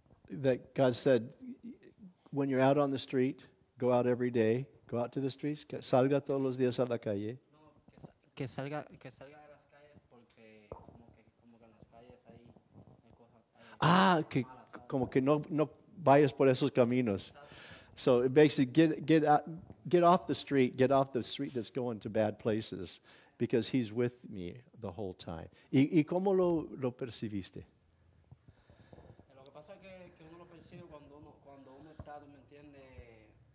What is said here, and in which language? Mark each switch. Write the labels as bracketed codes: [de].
[en] That God said, when you're out on the street, go out every day, go out to the streets, [es] que salga todos los días a la calle. No, que salga de las calles porque como que en las calles ahí hay cosas. Ah, que malas, como que no vayas por esos caminos. [en] So basically, get off the street. Get off the street that's going to bad places, because he's with me the whole time. [es] ¿Y cómo lo percibiste? Lo que pasa es que uno lo percibe cuando uno está, ¿me entiende?